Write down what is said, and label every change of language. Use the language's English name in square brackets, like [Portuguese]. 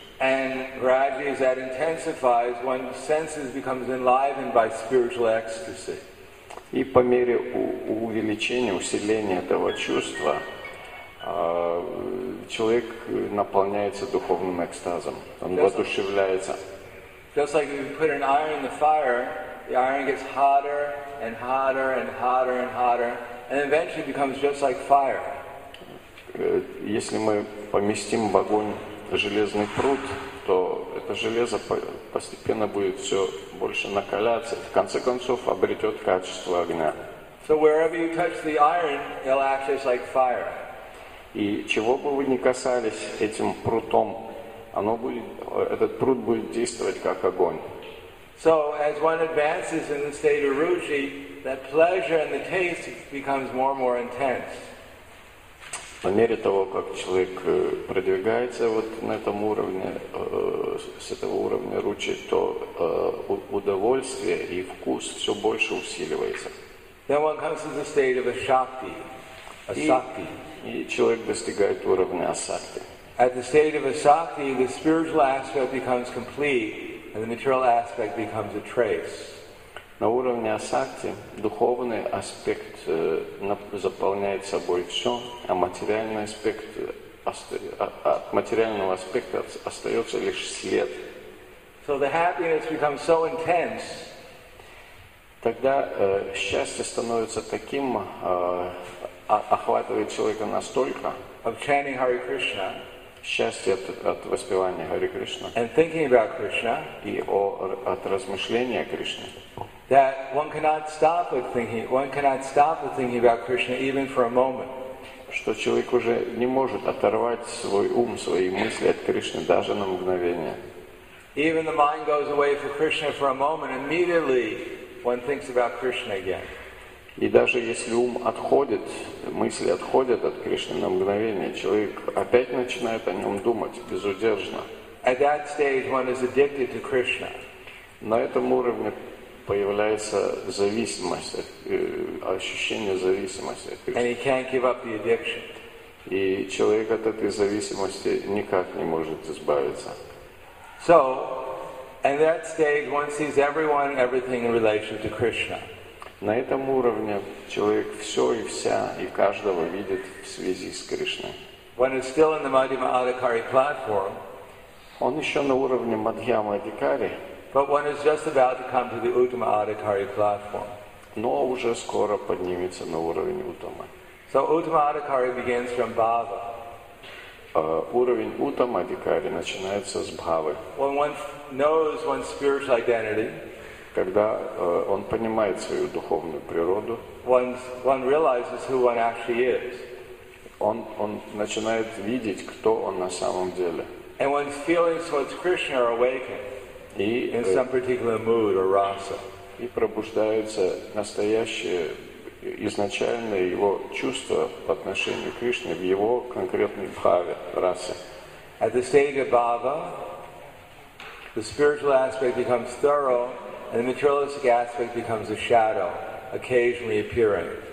[English] And gradually, as that intensifies, one's senses becomes enlivened by spiritual ecstasy. [Russian] И по мере увеличения, усиления этого чувства, человек наполняется духовным экстазом. Он воодушевляется. [English] Just like if you put an iron in the fire, the iron gets hotter and hotter and hotter and hotter, and eventually becomes just like fire. [Russian] Если мы поместим в огонь железный пруд, то это железо постепенно будет все больше накаляться, в конце концов обретет качество огня. [English] So wherever you touch the iron, it'll act just like fire. [Russian] И чего бы вы ни касались этим прутом, этот пруд будет действовать как огонь. [English] So as one advances in the state of ruchi, that pleasure and the taste becomes more and more intense. [Russian] По мере того, как человек продвигается вот на этом уровне, с этого уровня ручи, то удовольствие и вкус все больше усиливается. [English] Then one comes to the state of ashakti. Ashakti. [Russian] И человек достигает уровня асакти. [English] At the state of ashakti, the spiritual aspect becomes complete, and the material aspect becomes a trace. [Russian] На уровне асакти духовный аспект заполняет собой все, а материальный аспект от материального аспекта остается лишь след. [English] So the happiness becomes so intense. [Russian] Тогда счастье становится таким, охватывает человека настолько. [English] Of chanting Hare Krishna. [Russian] Счастье от воспевания Харе Кришна. [English] And thinking about Krishna. [Russian] И от размышления о Кришне. [English] That one cannot stop with thinking about Krishna even for a moment. [Russian] Что человек уже не может оторвать свой ум, свои мысли от Кришны даже на мгновение. [English] Even the mind goes away from Krishna for a moment, immediately one thinks about Krishna again. [Russian] И даже если ум отходит, мысли отходят от Кришны на мгновение, человек опять начинает о нем думать безудержно. [English] At that stage, one is addicted to Krishna. [Russian] На этом уровне появляется зависимость, ощущение зависимости. [English] And he can't give up the addiction. [Russian] И человек от этой зависимости никак не может избавиться. [English] So, at that stage, one sees everyone and everything in relation to Krishna. [Russian] На этом уровне человек все и вся и каждого видит в связи с Кришной. [English] One is still in the Madhyama Adhikari platform. [Russian] Он еще на уровне Мадхьяма Адхикари. [English] But one is just about to come to the Uttama Adhikari platform. [Russian] Но уже скоро поднимется на уровень Уттамы. [English] So Uttama Adhikari begins from Bhava. [Russian] Уровень Уттама Адхикари начинается с Бхавы. [English] When one knows one's spiritual identity. [Russian] Когда он понимает свою духовную природу. [English] One realizes who one actually is. [Russian] Он начинает видеть, кто он на самом деле. [English] And one's feelings towards Krishna are awakened. [Russian] И, [English] in some particular mood or rasa. [Russian] И пробуждается настоящее, изначальное его чувство по отношению к Кришне в его конкретной бхаве, расе. [English] At the stage of bhava, the spiritual aspect becomes thorough, and the materialistic aspect becomes a shadow, occasionally appearing.